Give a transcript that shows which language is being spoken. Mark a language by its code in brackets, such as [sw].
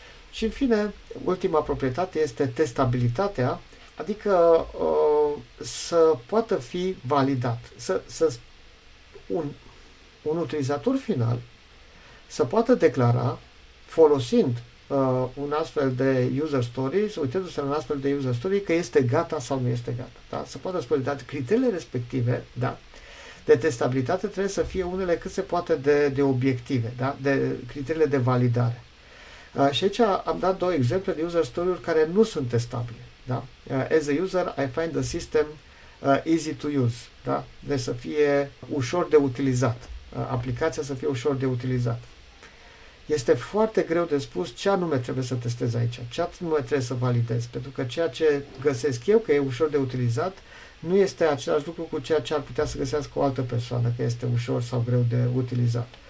[ro] Și în fine, ultima proprietate este testabilitatea, adică să poată fi validat, să un utilizator final să poată declara folosind un astfel de user story, uitându-se la un astfel de user story, că este gata sau nu este gata. Da? Să poată spune, dar criteriile respective, da, de testabilitate trebuie să fie unele cât se poate de obiective, da, de criteriile de validare. Și aici am dat două exemple de user story-uri care nu sunt testabile. Da? [en] As a user, I find the system easy to use. [ro] Da? Deci să fie ușor de utilizat. Aplicația să fie ușor de utilizat. Este foarte greu de spus ce anume trebuie să testez aici, ce anume trebuie să validez, pentru că ceea ce găsesc eu că e ușor de utilizat nu este același lucru cu ceea ce ar putea să găsească o altă persoană, că este ușor sau greu de utilizat.